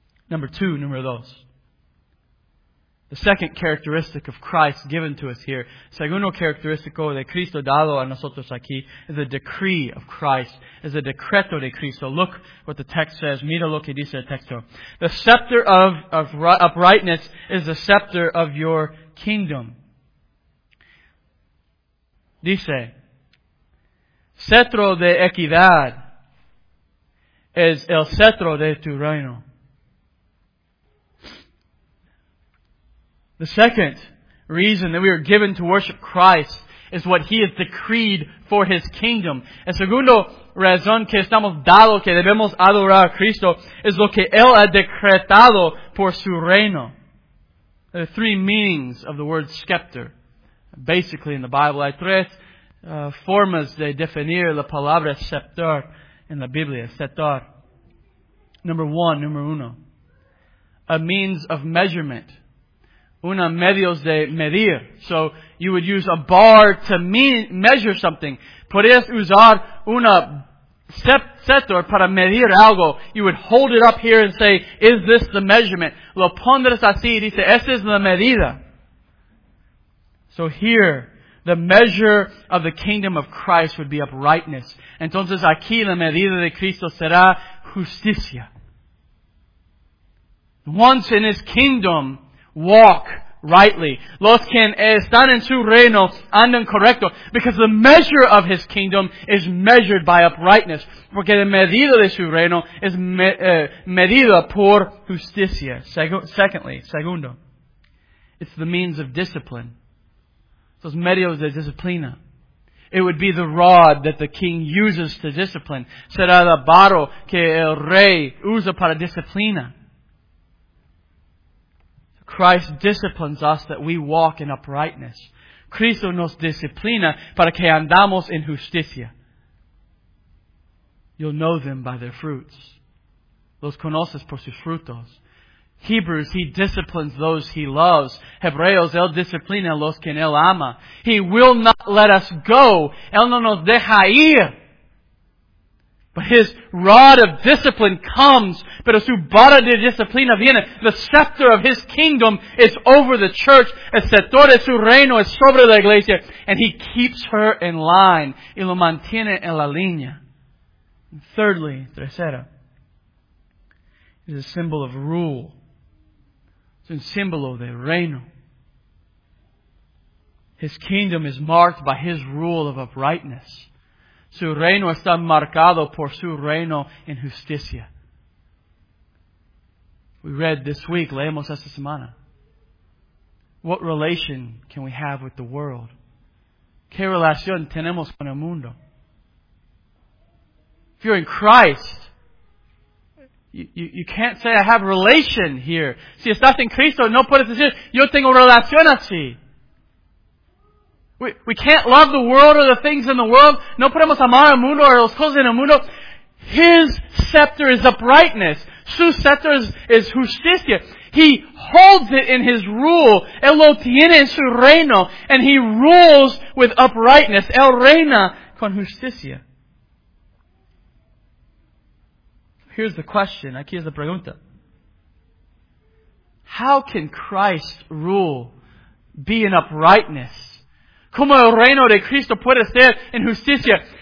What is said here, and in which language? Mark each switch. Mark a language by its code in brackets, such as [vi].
[es] Número dos. [en] The second characteristic of Christ given to us here, [es] segundo característico de Cristo dado a nosotros aquí, [en] is a decree of Christ, is a [es] decreto de Cristo. [en] Look what the text says. [es] Mira lo que dice el texto. [en] The scepter of uprightness is the scepter of your kingdom. [es] Dice, cetro de equidad es el cetro de tu reino. [en] The second reason that we are given to worship Christ is what He has decreed for His kingdom. [es] El segundo razón que estamos dado, que debemos adorar a Cristo, es lo que Él ha decretado por su reino. [en] There are three meanings of the word scepter. Basically, in the Bible, [es] hay tres formas de definir la palabra scepter en la Biblia. Scepter. Número uno. [en] A means of measurement. [es] Una medios de medir. [en] So you would use a bar to measure something. [es] Podrías usar una cetro para medir algo. [en] You would hold it up here and say, is this the measurement? [es] Lo pondrás así y dice, esa es la medida. [en] So here, the measure of the kingdom of Christ would be uprightness. [es] Entonces aquí la medida de Cristo será justicia. [en] Once in His kingdom, walk rightly. [es] Los que están en su reino andan correcto. [en] Because the measure of His kingdom is measured by uprightness. [es] Porque la medida de su reino es medida por justicia. [en] Secondly, it's the means of discipline. [es] esos medios de disciplina. [en] It would be the rod that the king uses to discipline. [es] Será la vara que el rey usa para disciplina. [en] Christ disciplines us that we walk in uprightness. [es] Cristo nos disciplina para que andamos en justicia. [en] You'll know them by their fruits. [es] Los conoces por sus frutos. [en] Hebrews, He disciplines those He loves. [es] Hebreos, Él disciplina los que Él ama. [en] He will not let us go. [es] Él no nos deja ir. [en] But His rod of discipline comes. [es] Pero su vara de disciplina viene. [en] The scepter of His kingdom is over the church. [es] El cetro de su reino es sobre la iglesia. [en] And He keeps her in line. [es] Y lo mantiene en la línea. [en] And thirdly, [es] tercera, [en] is a symbol of rule. [es] Es un símbolo de reino. [en] His kingdom is marked by His rule of uprightness. [es] Su reino está marcado por su reino en justicia. [en] We read this week, [es] leemos esta semana. [en] What relation can we have with the world? [es] ¿Qué relación tenemos con el mundo? [en] If you're in Christ, You can't say, I have a relation here. [es] Si estás en Cristo, no puedes decir, yo tengo relación así. [en] We can't love the world or the things in the world. [es] No podemos amar el mundo o las cosas en el mundo. [en] His scepter is uprightness. [es] Su scepter is justicia. [en] He holds it in His rule. [es] Él lo tiene en su reino. [en] And He rules with uprightness. [es] Él reina con justicia. [en] Here's the question. [es] Aquí es la pregunta. [en] How can Christ rule, be in uprightness? [es] ¿Cómo el reino de Cristo puede ser en justicia?